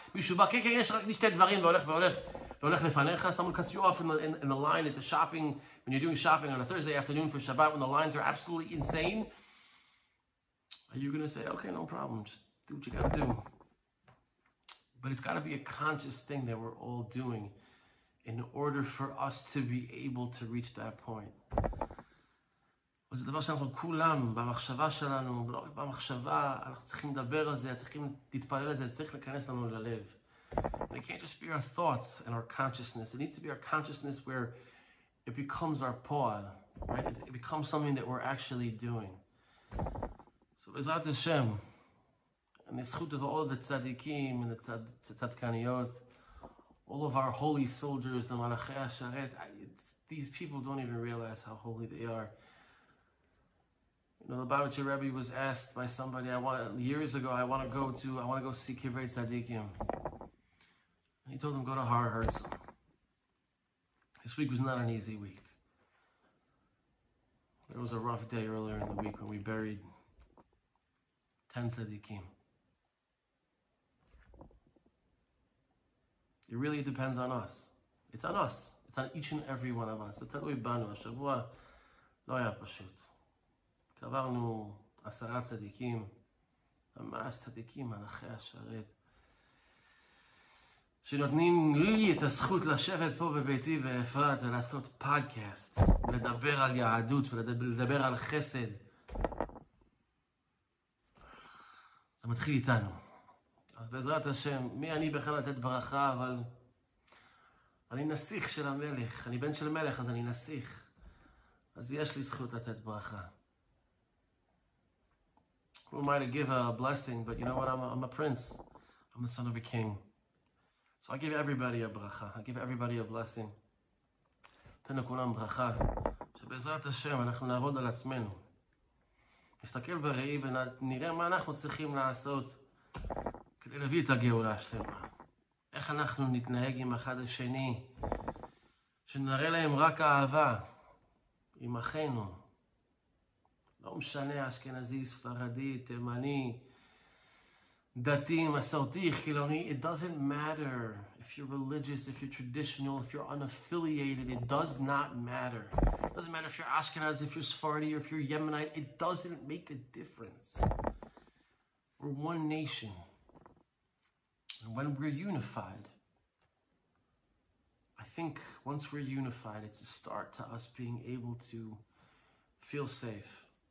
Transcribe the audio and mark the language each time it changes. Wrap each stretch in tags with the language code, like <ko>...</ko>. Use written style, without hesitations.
<he>מישהו בא, כן, יש רק שתי דברים, והולך לפניך.</he> <en>Someone cuts you off in the line at the shopping, when you're doing shopping on a Thursday afternoon for Shabbat, when the lines are absolutely insane. Are you going to say, okay, no problem, just do what you got to do? But it's got to be a conscious thing that we're all doing in order for us to be able to reach that point.</en> <he>וזה דבר שאנחנו כולם, במחשבה שלנו, לא רק במחשבה, אנחנו צריכים לדבר על זה, צריכים להתפלל על זה, צריך להיכנס לנו ללב.</he> <en>And it can't just be our thoughts and our consciousness. It needs to be our consciousness where it becomes our poal, right? It becomes something that we're actually doing. So</en> <he>בעזרת השם, אני זכות את עוד הצדיקים, את הצדקניות,</he> <en>all of our holy soldiers, the</en> <he>מלאכי השרת,</he> <en>these people don't even realize how holy they are. You know, the Baruch Rebbe was asked by somebody, I want to go see Kivrei Tzadikim. And he told him, go to Har Herzl. This week was not an easy week. There was a rough day earlier in the week when we buried 10 Tzadikim. It really depends on us. It's on us. It's on each and every one of us. So tell me, Banu,</en> <he>השבוע לא היה פשוט. קברנו 10 צדיקים, ממש צדיקים, מלאכי השרת, שנותנים לי את הזכות לשבת פה בביתי באפרת ולעשות פודקאסט, לדבר על יהדות ולדבר על חסד. זה מתחיל איתנו. אז בעזרת השם, מי אני בכלל לתת ברכה, אבל אני נסיך של המלך. אני בן של מלך, אז אני נסיך. אז יש לי זכות לתת ברכה.</he> <en>Who am I to give a blessing? But you know what? I'm a prince. I'm the son of a king. So I give everybody a bracha. I give everybody a blessing.</en> <he>תן לכולם ברכה. שבעזרת השם, אנחנו נעבוד על עצמנו. נסתכל בראי ונראה מה אנחנו צריכים לעשות כדי להביא את הגאולה שלמה. איך אנחנו נתנהג עם אחד השני? שנראה להם רק אהבה עם אחינו. לא משנה, אשכנזי, ספרדי, תימני, דתי, מסורתי, חילוני.</he> <en>It doesn't matter if you're religious, if you're traditional, if you're unaffiliated. It does not matter. It doesn't matter if you're Ashkenazi, if you're Sephardi, or if you're Yemenite. It doesn't make a difference. We're one nation. And when we're unified, I think once we're unified, it's a start to us being able to feel safe.</en>